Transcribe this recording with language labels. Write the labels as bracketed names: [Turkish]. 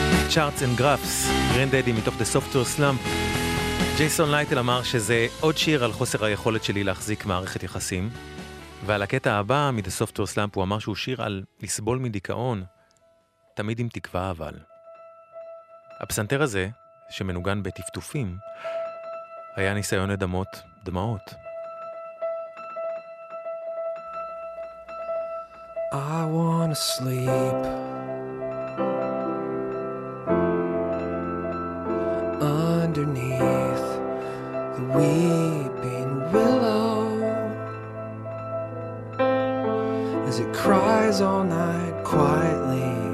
[English] charts and graphs, גרנדדי מתוך the Softer Slump. [Hebrew] ג'ייסון לייטל אמר שזה עוד שיר על חוסר היכולת שלי להחזיק מערכת יחסים, ועל הקטע הבא מ-the Softer Slump הוא אמר שהוא שיר על לסבול מדיכאון, תמיד עם תקווה אבל. הפסנתר הזה, שמנוגן בטפטופים, היה ניסיון לדמות דמעות. [English] I want to sleep underneath the weeping willow as it cries all night quietly.